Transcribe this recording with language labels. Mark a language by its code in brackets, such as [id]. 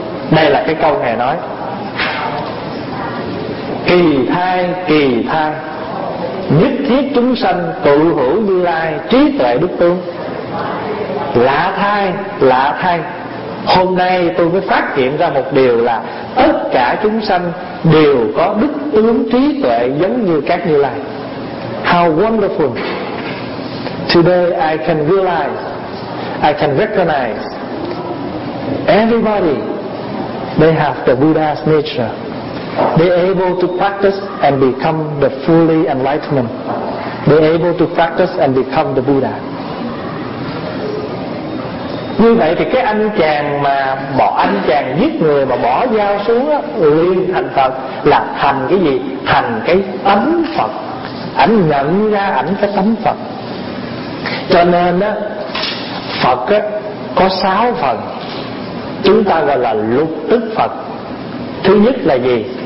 [vi] Đây là cái câu Ngài nói: kỳ thai, kỳ thai, nhất thiết chúng sanh tự hữu Như Lai trí tuệ đức tướng. Lạ thai, lạ thai, hôm nay tôi mới phát hiện ra một điều là tất cả chúng sanh đều có đức tướng trí tuệ giống như các Như Lai. [en] How wonderful. Today I can realize, I can recognize everybody, they have the Buddha's nature. They're able to practice and become the fully enlightened. They're able to practice and become the Buddha. [vi] Như vậy thì cái anh chàng mà bỏ, anh chàng giết người mà bỏ dao xuống liền thành Phật, là thành cái gì? Thành cái tánh Phật. Ảnh nhận ra ảnh cái tánh Phật. Cho nên á, Phật á, có 6 phần, chúng ta gọi là lục tức Phật. Thứ nhất là gì?